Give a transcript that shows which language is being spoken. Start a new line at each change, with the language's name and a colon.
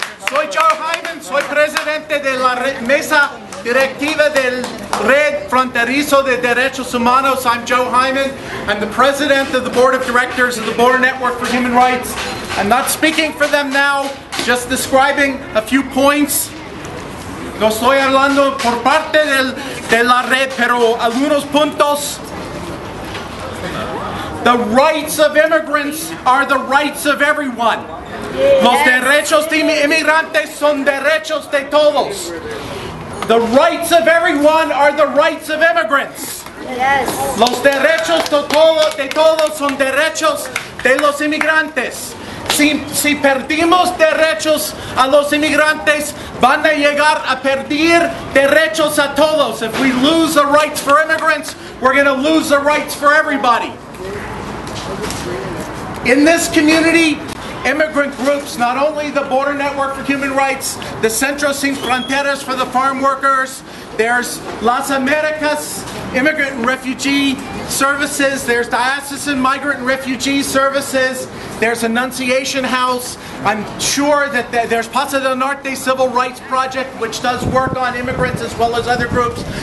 Spanish: Soy Joe Heyman, soy presidente de la mesa directiva del Red Fronterizo de Derechos Humanos.
English: I'm Joe Heyman. I'm the president of the board of directors of the Border Network for Human Rights. I'm not speaking for them now, just describing a few points.
Spanish: No estoy hablando por parte de la red, pero algunos puntos.
English: The rights of immigrants are the rights of everyone.
Spanish: Los derechos de inmigrantes son derechos de todos.
English: The rights of everyone are the rights of immigrants. Yes.
Spanish: Los derechos de todos son derechos de los inmigrantes. Si perdimos derechos a los inmigrantes, van a llegar a perder derechos a todos.
English: If we lose the rights for immigrants, we're going to lose the rights for everybody. In this community, immigrant groups, not only the Border Network for Human Rights, the Centro Sin Fronteras for the farm workers, there's Las Americas Immigrant and Refugee Services, there's Diocesan Migrant and Refugee Services, there's Annunciation House, I'm sure that there's Paso del Norte Civil Rights Project, which does work on immigrants as well as other groups.